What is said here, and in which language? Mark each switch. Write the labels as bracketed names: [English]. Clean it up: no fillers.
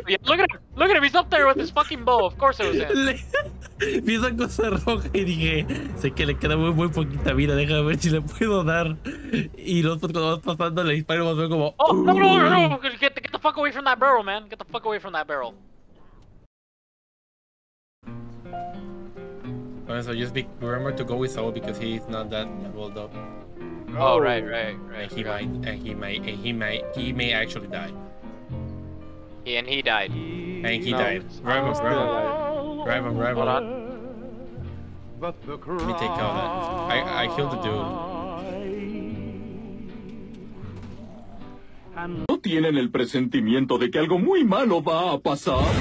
[English] Look at him, he's up there with his fucking bow. Of course it was him. [Spanish] Vi esa cosa roja y dije, sé que le queda muy poquita vida, déjame ver si le puedo dar. Y nosotros cuando vas pasando le disparo, vamos a ver como... [English] Oh, no, get the fuck away from that barrel, man. Get the fuck away from that barrel. [Spanish] Bueno, [English] so just remember to go with Saul because he's not that leveled up. Oh, right. And he may actually die. And he died. And he died. Grab him. Hold on. But the cry, let me take care of that. I killed the dude. [Spanish] ¿No tienen el presentimiento de que algo muy malo va a pasar?